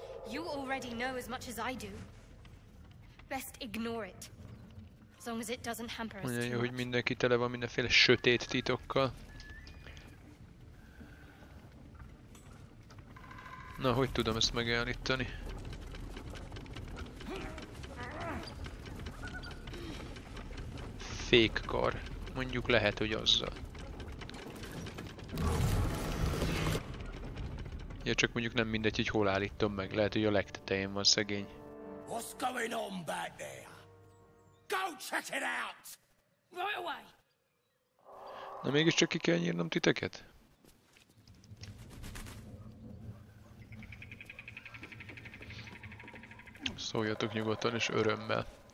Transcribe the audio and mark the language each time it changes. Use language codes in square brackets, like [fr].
[en] You already know as much as I do. Best ignore it. As long as it doesn't hamper us too much. [hu] Mondja, hogy mindenki tele van mindenféle sötét titokkal. Na, hogy tudom ezt megállítani? Fékkar. Mondjuk lehet, hogy azzal. Ja, csak mondjuk nem mindegy, hogy hol állítom meg. Lehet, hogy a legtetején van szegény. [en] What's going on back there? Go check it out! Right away! [hu] Na mégiscsak ki kell nyírnom titeket? Szóljatok nyugodtan és örömmel.